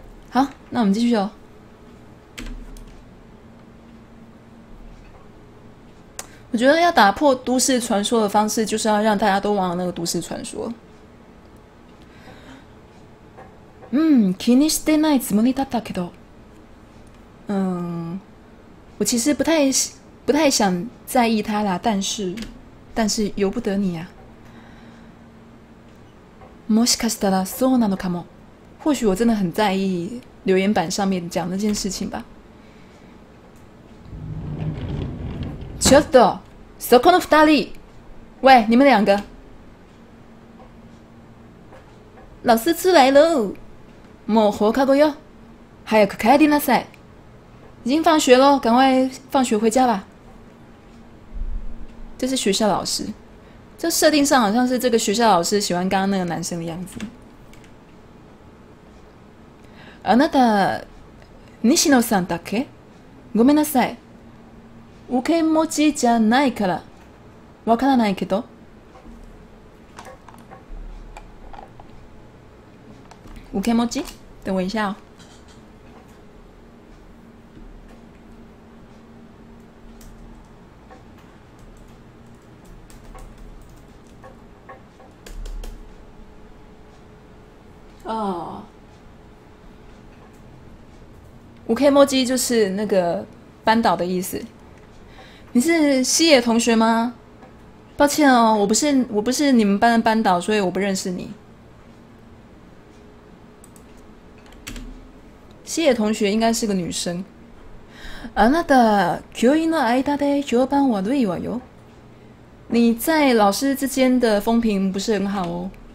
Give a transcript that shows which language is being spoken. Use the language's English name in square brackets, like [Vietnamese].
[Chinese] 好，那我们继续哦。我觉得要打破都市传说的方式，就是要让大家都忘了那个都市传说。 [Japanese] 気にしてないつもりだったけど。 [Chinese] 我其实不太想在意他啦，但是由不得你啊。 [Japanese] もしかしたらそうなのかも。 [Chinese] 或许我真的很在意留言板上面讲那件事情吧。 [Japanese] ちょっと、そこの二人。 [Chinese] 喂，你们两个。老师出来喽。 [Japanese] もう放課後よ。早く帰りなさい。 [Chinese] 已经放学了，赶快放学回家吧。这是学校老师，这设定上好像是这个学校老师喜欢刚刚那个男生的样子。 [Japanese] あなた、西野さんだっけ？ごめんなさい。受け持ちじゃないから、わからないけど。 [Chinese] 受け持ち？等我一下哦。五 K 墨迹就是那个班导的意思。你是西野同学吗？抱歉哦，我不是你们班的班导，所以我不认识你。西野同学应该是个女生。 [Japanese] あなた教員の間で評判悪いわよ。 [Chinese] 你在老师之间的风评不是很好哦。